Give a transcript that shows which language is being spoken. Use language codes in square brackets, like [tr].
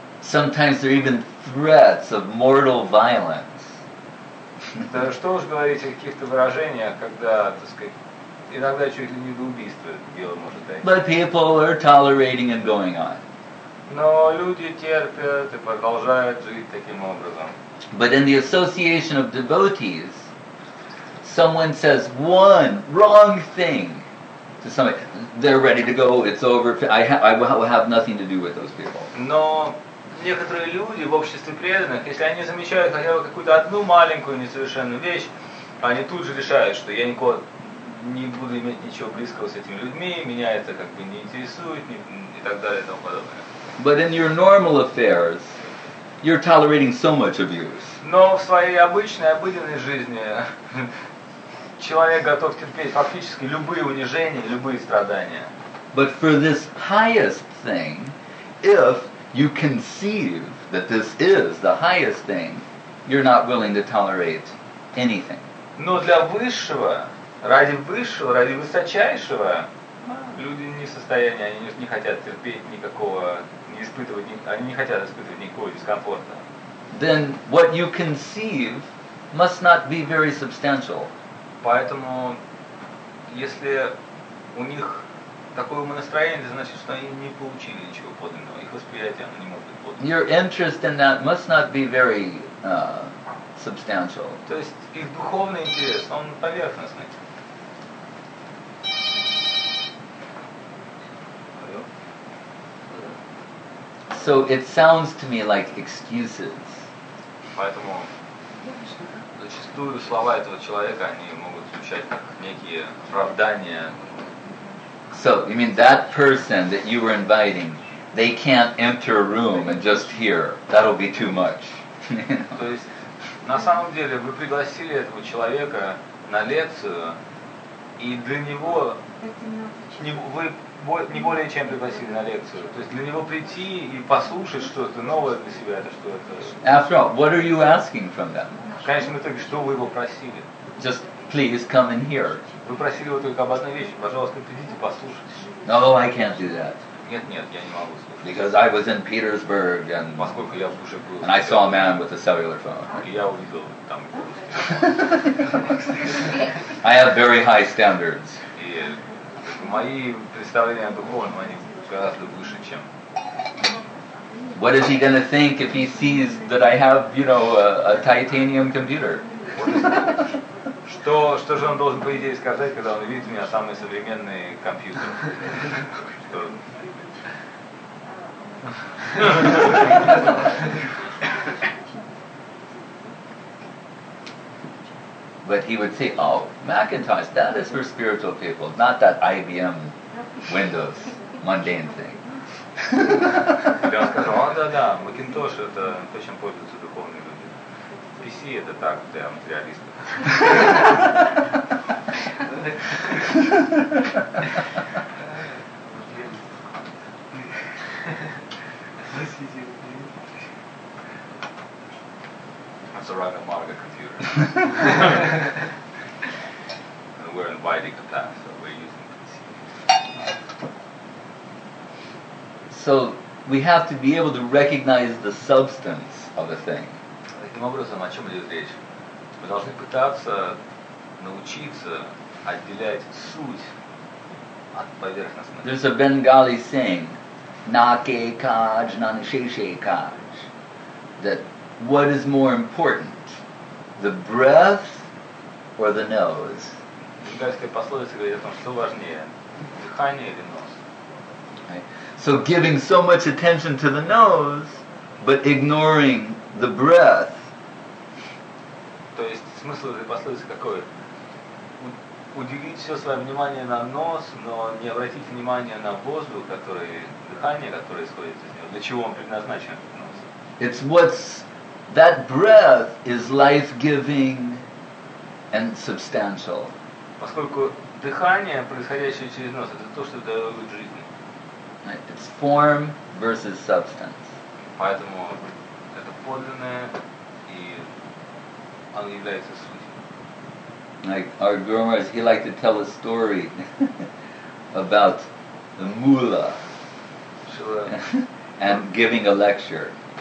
[en] Sometimes there are even threats of mortal violence. [ru] Да что уж говорить о каких-то выражениях, когда, так сказать, иногда чуть ли не до убийства дело может дойти. [en] But people are tolerating and going on. [ru] Но люди терпят и продолжают жить таким образом. [en] But in the association of devotees, someone says one wrong thing to somebody, they're ready to go, it's over, I will have nothing to do with those people. [ru] Но некоторые люди в обществе преданных, если они замечают хотя бы какую-то одну маленькую несовершенную вещь, они тут же решают, что я никого не буду иметь ничего близкого с этими людьми, меня это как бы не интересует, и так далее, и тому подобное. [en] But in your normal affairs, you're tolerating so much abuse. [ru] Но в своей обычной, обыденной жизни человек готов терпеть фактически любые унижения, любые страдания. [en] But for this highest thing, if you conceive that this is the highest thing, you're not willing to tolerate anything. [ru] Но для высшего, ради высочайшего, люди не в состоянии, они не хотят терпеть никакого, не испытывать, они не хотят испытывать никакого дискомфорта. [en] Then what you conceive must not be very substantial. [ru] Поэтому, если у них такое умонастроение, значит, что они не получили ничего подлинного. Их восприятие, оно не может быть подлинным. [en] Your interest in that must not be very substantial. [ru] То есть их духовный интерес, он поверхностный. [en] So it sounds to me like excuses. [ru] Поэтому зачастую слова этого человека, они могут звучать как некие оправдания. [en] So, you mean that person that you were inviting, they can't enter a room and just hear. That'll be too much. [ru] То есть, на самом деле, вы пригласили этого человека на лекцию, и для него, не более чем пригласили на лекцию. То есть, для него прийти и послушать что-то новое для себя, это что это? [en] After all, what are you asking from them? [ru] В конечном итоге, что вы его просили? [en] Just please come and hear. [ru] Вы просили его только об одной вещи. Пожалуйста, придите, послушайте. [en] No, I can't do that. [ru] Нет, я не могу слушать. [en] Because I was in Petersburg and... [ru] Поскольку я в душе был. [en] And I saw a man with a cellular phone. [ru] И я увидел там... [en] I have very high standards. [ru] И мои представления о духовном, они гораздо выше, чем... [en] What is he going to think if he sees that I have, you know, a titanium computer? [ru] Что же он должен, по идее, сказать, когда он видит у меня самый современный компьютер? [en] But he would say, oh, Macintosh, that is for spiritual people, not that IBM Windows mundane thing. [ru] Я сказал, а, да, да, макинтош – это то, чем пользуются духовные люди. PC – это так, для материалистов. [en] That's a Ragamarga computer. We're inviting the past, so we're using PC. So we have to be able to recognize the substance of a thing. [ru] Таким образом, о чем идет речь? Мы должны пытаться научиться отделять суть от поверхностности. [en] There's a Bengali saying, [bn] "Nake kaj nanisheshe kaj," [en] that what is more important, the breath or the nose? [ru] Бенгальская пословица говорит о том, что важнее, дыхание или нос. [en] So giving so much attention to the nose, but ignoring the breath. [ru] То есть смысл этой пословицы какой? Уделить все свое внимание на нос, но не обратить внимание на воздух, который дыхание, которое исходит из него. Для чего он предназначен, этот нос? [en] It's what's that breath is life-giving and substantial. [ru] Поскольку дыхание, происходящее через нос, это то, что дает жизнь. [en] It's form versus substance. [ru] Поэтому это подлинное, и оно является сутью. [en] Like our Gurmars, he liked to tell a story about the mula and giving a lecture.